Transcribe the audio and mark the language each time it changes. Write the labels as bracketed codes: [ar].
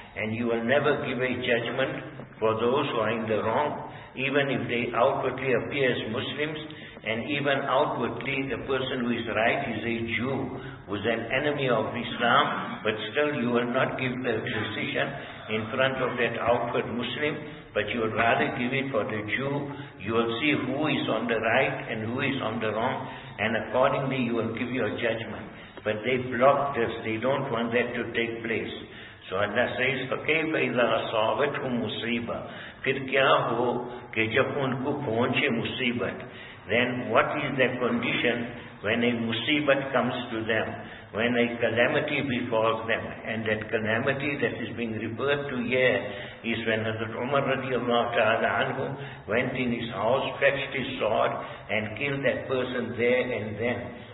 [en] And you will never give a judgment for those who are in the wrong, even if they outwardly appear as Muslims, and even outwardly the person who is right is a Jew, who is an enemy of Islam, but still you will not give the decision in front of that outward Muslim, but you would rather give it for the Jew. You will see who is on the right and who is on the wrong, and accordingly you will give your judgment. But they block this, they don't want that to take place. So Allah says, [ar] فَكَيْفَ إِذَا أَصَابَتْهُمْ مُصِيبَةٌ. [ur] پھر کیا ہو کہ جب ان کو پہنچے مصیبت. [en] Then what is their condition when a musibat comes to them, when a calamity befalls them? And that calamity that is being referred to here is when Hazrat Umar radiallahu ta'ala anhu went in his house, fetched his sword and killed that person there and then.